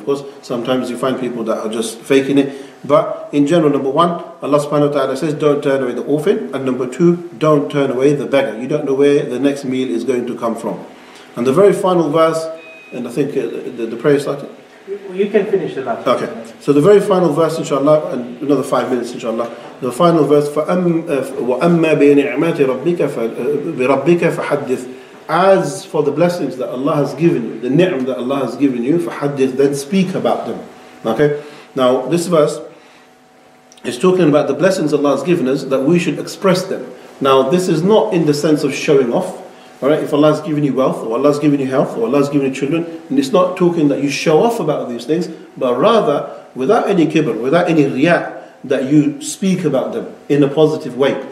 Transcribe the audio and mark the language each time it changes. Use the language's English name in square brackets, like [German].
[English] Of course, sometimes you find people that are just faking it. But in general, number one, Allah subhanahu wa ta'ala says, don't turn away the orphan. And number two, don't turn away the beggar. You don't know where the next meal is going to come from. And the very final verse, and I think the prayer started. You can finish the last. Okay. So the very final verse, inshallah, and another 5 minutes, inshallah. The final verse, [Arabic] وَأَمَّا بِنِعْمَاتِ رَبِّكَ فَحَدِّثْ. [English] As for the blessings that Allah has given you, the ni'm that Allah has given you, [Arabic] فَحَدِّثْ, [English] then speak about them. Okay? Now, this verse is talking about the blessings Allah has given us, that we should express them. Now, this is not in the sense of showing off. Alright, if Allah has given you wealth, or Allah has given you health, or Allah has given you children, and it's not talking that you show off about these things, but rather, without any kibr, without any riyah, that you speak about them in a positive way.